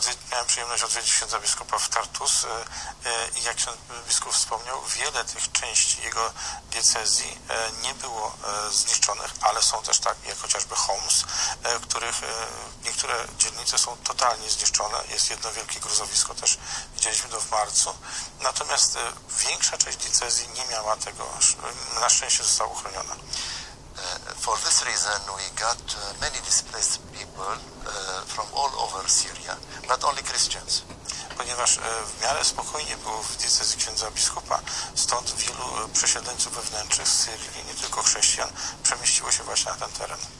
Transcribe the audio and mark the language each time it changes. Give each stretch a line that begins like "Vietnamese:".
Polish: Miałem przyjemność odwiedzić księdza biskupa w Tartus. I jak ksiądz biskup wspomniał, wiele tych części jego diecezji nie było zniszczonych, ale są też tak, jak chociażby Homs, których niektóre dzielnice są totalnie zniszczone. Jest jedno wielkie gruzowisko, też widzieliśmy to w marcu. Natomiast większa część diecezji nie miała tego, na szczęście została uchroniona.
English: For this reason we got many displaced people from all over Syria, not only Christians.
Polish: Ponieważ w miarę spokojnie było w diecezji księdza biskupa, stąd wielu przesiedleńców wewnętrznych z Syrii, nie tylko chrześcijan, przemieściło się właśnie na ten teren.